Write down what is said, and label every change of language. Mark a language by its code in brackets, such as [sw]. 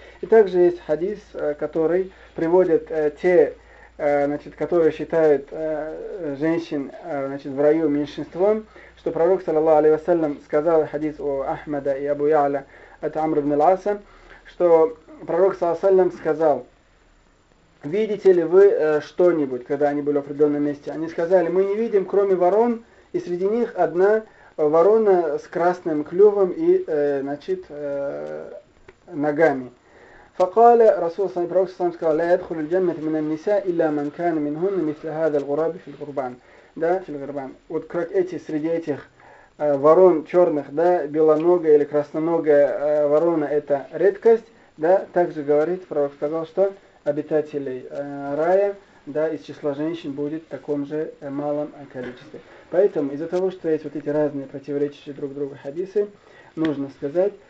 [ru] И также есть хадис, который приводит те, значит, которые считают женщин, значит, в раю меньшинством, что пророк, саллаллаху алейхи ва саллям, сказал хадис у Ахмада и Абу Яля от Амр ибн Аса, что пророк, саллаллаху алейхи ва саллям, сказал: видите ли вы что-нибудь, когда они были в определенном месте? Они сказали: мы не видим, кроме ворон, и среди них одна ворона с красным клювом и, значит, ногами. [ar] فقال رسول الله صلى الله عليه وسلم قال لا يدخل الجنة من النساء إلا من كان منهن مثل هذا الغراب في الغربان. Да, في الغربان. [ru] Вот как эти, среди этих ворон черных, да, белоногая или красноногая ворона, это редкость, да, также говорит пророк, сказал, что обитателей рая, да, из числа женщин будет в таком же малом количестве. Поэтому из-за того, что есть вот эти разные противоречащие друг другу хадисы, нужно сказать,